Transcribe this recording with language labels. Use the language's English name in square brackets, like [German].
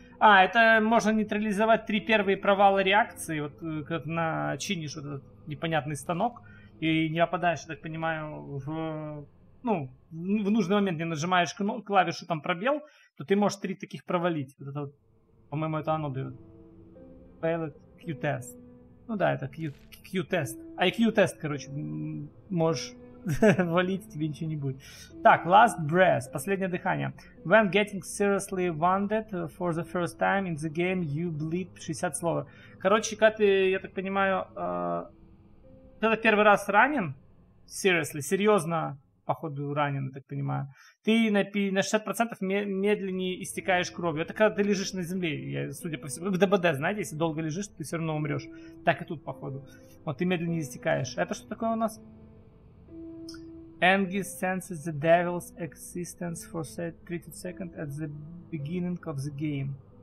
[Russian] А, это можно нейтрализовать три первые провала реакции, вот как начинишь вот этот непонятный станок и не попадаешь, я так понимаю, в нужный момент не нажимаешь клавишу там пробел, то ты можешь три таких провалить. Вот это вот, по-моему, это оно дает. [English] Failed Q-test. [Russian] Ну да, это Q-test. IQ-test, короче, можешь валить, тебе ничего не будет. Так, [English] last breath, [Russian] последнее дыхание. [English] When getting seriously wounded for the first time in the game, you bleed 60 slower. [Russian] Короче, когда ты, я так понимаю, когда первый раз ранен, seriously, серьезно, походу, ранен, я так понимаю, ты на 60% медленнее истекаешь кровью. Это когда ты лежишь на земле, судя по всему. В ДБД, знаете, если долго лежишь, ты все равно умрешь. Так и тут, походу. Вот ты медленнее истекаешь. Это что такое у нас? [English] Angus senses the devil's existence for 30 seconds at the beginning of the game.